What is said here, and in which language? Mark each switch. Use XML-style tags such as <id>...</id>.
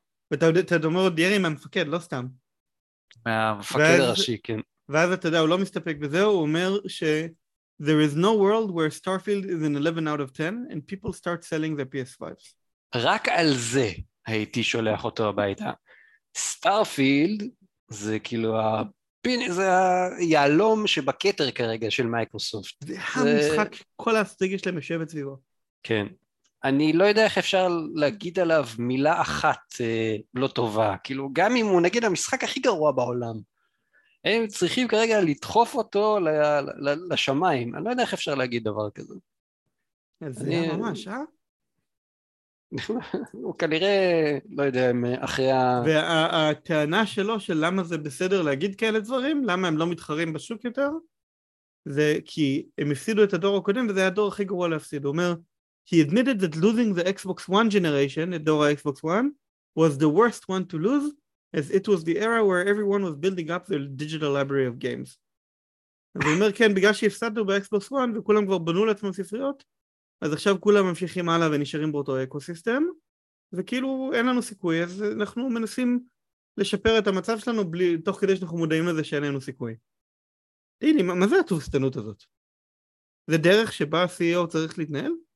<he>ואתה אומר עוד ירי מהמפקד, לא סתם. מהמפקד הראשי, כן. ואז אתה יודע, הוא לא מסתפק בזה, הוא אומר ש...</he> <en>There is no world where Starfield is an 11 out of 10 and people start selling their PS5s.</en> <he>רק על זה הייתי שולח אותו הביתה. סטארפילד זה כאילו הפין, זה היעלום שבקטר כרגע של מייקרוסופט. זה המשחק, כל האסטרטגיה שלהם יושבת סביבו. כן. אני לא יודע איך אפשר להגיד עליו מילה אחת לא טובה. כאילו, גם אם הוא נגיד המשחק הכי גרוע בעולם, הם צריכים כרגע לדחוף אותו לשמיים. אני לא יודע איך אפשר להגיד דבר כזה. זה היה ממש, אה? הוא כנראה, לא יודע, אחרי ה... והטענה שלו של למה זה בסדר להגיד כאלה דברים, למה הם לא מתחרים בשוק יותר, זה כי הם הפסידו את הדור הקודם, וזה היה הדור הכי גרוע להפסיד. הוא אומר,</he> <en>he admitted that losing the Xbox One generation,</en> <he>את דור ה-Xbox One,</he> <en>was the worst one to lose, as it was the era where everyone was building up their digital library of games.</en> <he>אז הוא אומר, כן, בגלל שהפסדנו ב-Xbox One, וכולם כבר בנו לעצמם ספריות, אז עכשיו כולם ממשיכים הלאה ונשארים באותו אקוסיסטם, וכאילו אין לנו סיכוי, אז אנחנו מנסים לשפר את המצב שלנו בלי, תוך כדי שאנחנו מודעים לזה שאין לנו סיכוי. הנה, מה זה התבוסתנות הזאת? זה דרך שבה ה-CEO צריך להתנהל?</he>